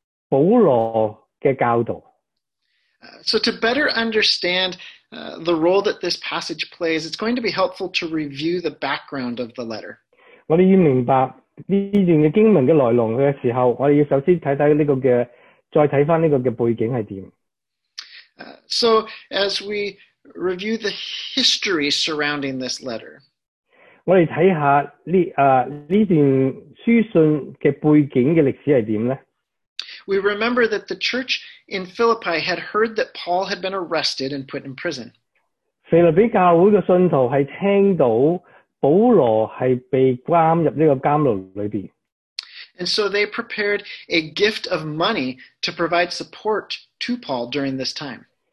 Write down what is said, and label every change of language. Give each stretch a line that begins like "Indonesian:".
English: So to better understand the role that this passage plays, it's going to be helpful to review the background of the letter.
Cantonese: 我们要明白这段经文的来龙的时候，我们要首先看看这个的，再看这个的背景是怎样。
English: So as we review the history surrounding this letter,
Cantonese: 我们看一下这段书信的背景的历史是怎样呢？
English: We remember that the church in Philippi had heard that Paul had been arrested and put in prison.
Cantonese: 腓立比教会的信徒是听到保罗是被关入这个监牢里边。
English: And so they prepared a gift of money to provide support to Paul during this time.